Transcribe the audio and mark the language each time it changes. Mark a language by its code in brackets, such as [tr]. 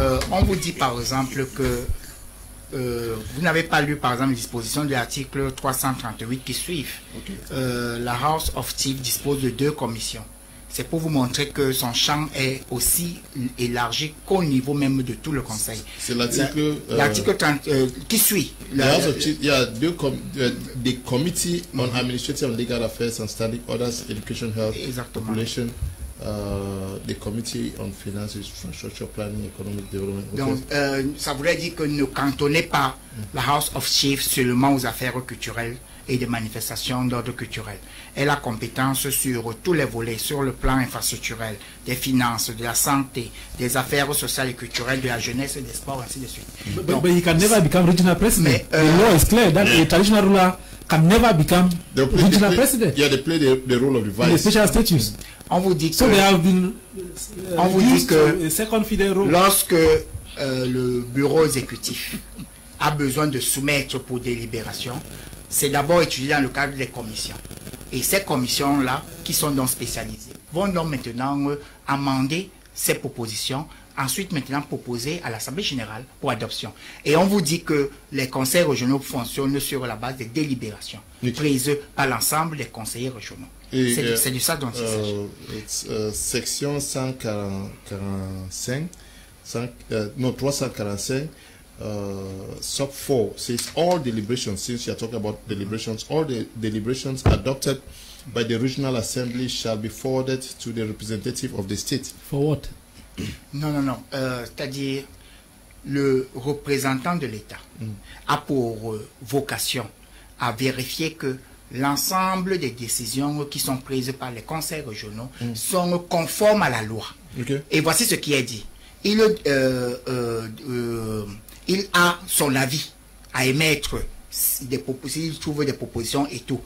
[fr] On vous dit par exemple que vous n'avez pas lu par exemple les dispositions de l'article 338 qui suivent. Okay. La House of Chiefs dispose de deux commissions. C'est pour vous montrer que son champ est aussi élargi qu'au niveau même de tout le Conseil. C'est l'article... L'article 30, qui suit. [en] The Committee on Administrative and Legal Affairs and Standing Orders, Education, Health, [fr] exactement. [en] Population, the Committee on Finances, Infrastructure Planning, Economic Development. Okay. [fr] Donc, ça voudrait dire que ne cantonnez pas la House of Chiefs seulement aux affaires culturelles et des manifestations d'ordre culturel. Elle a compétence sur tous les volets, sur le plan infrastructurel, des finances, de la santé, des affaires sociales et culturelles, de la jeunesse et des sports, ainsi de suite. [en] But he can never become regional president. Mais, the law is clear that the traditional ruler can never become regional president. Yeah, they play the role of the vice. In the special status. [fr] On vous dit [en] so [fr] que, [en] they have been, [fr] on vous dit que [en] a second federal. [fr] Lorsque le bureau exécutif a besoin de soumettre pour délibération, c'est d'abord étudié dans le cadre des commissions. Et ces commissions-là, qui sont donc spécialisées, vont donc maintenant amender ces propositions, ensuite maintenant proposer à l'Assemblée générale pour adoption. Et on vous dit que les conseils régionaux fonctionnent sur la base des délibérations prises par l'ensemble des conseillers régionaux. C'est de ça dont il s'agit. [en] Section 345. Sub 4 says all deliberations, since you are talking about deliberations, all the deliberations adopted by the regional assembly shall be forwarded to the representative of the state. For what? [fr] No. C'est-à-dire, le représentant de l'État a pour vocation à vérifier que l'ensemble des décisions qui sont prises par les conseils régionaux sont conformes à la loi. Okay. Et voici ce qui est dit. Il a son avis à émettre des propositions, il trouve des propositions et tout.